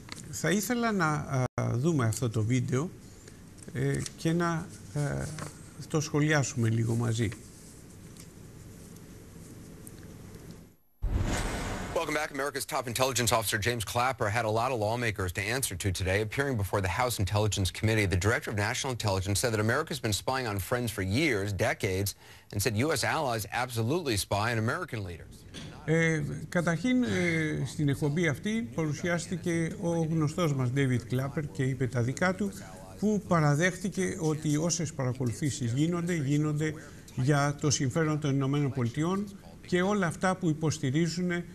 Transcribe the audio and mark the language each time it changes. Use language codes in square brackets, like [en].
[el] Θα ήθελα να δούμε αυτό το βίντεο και να το σχολιάσουμε λίγο μαζί. [en] Welcome back. America's top intelligence officer James Clapper had a lot of lawmakers to answer to today. Appearing before the House Intelligence Committee, the director of national intelligence said that America's been spying on friends for years, decades, and said U.S. allies absolutely spy on American leaders. [el] Καταρχήν, στην εκπομπή αυτή παρουσιάστηκε ο γνωστός μας David Clapper και είπε τα δικά του, που παραδέχτηκε ότι όσες παρακολουθήσεις γίνονται για το συμφέρον των Ηνωμένων Πολιτειών και όλα αυτά που υποστηρίζουν